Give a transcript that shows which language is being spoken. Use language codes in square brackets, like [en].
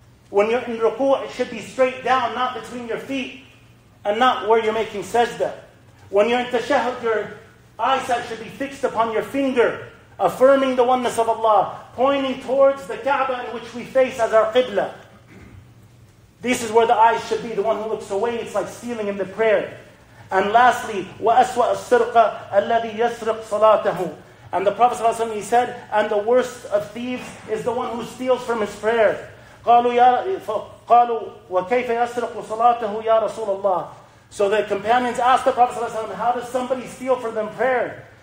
[en] When you're in ruku', it should be straight down, not between your feet, and not where you're making sajda. When you're in tashahud, your eyesight should be fixed upon your finger, affirming the oneness of Allah, pointing towards the Kaaba in which we face as our Qibla. This is where the eyes should be. The one who looks away, it's like stealing in the prayer. And lastly, [ar] وَأَسْوَأَ السِّرْقَ الَّذِي يَسْرِقْ صَلَاتَهُ. [en] And the Prophet ﷺ, he said, and the worst of thieves is the one who steals from his prayer. [ar] قَالُوا وَكَيْفَ يَسْرِقُ صَلَاتَهُ يَا رَسُولَ اللَّهِ. [en] So the companions asked the Prophet ﷺ, how does somebody steal from them prayer?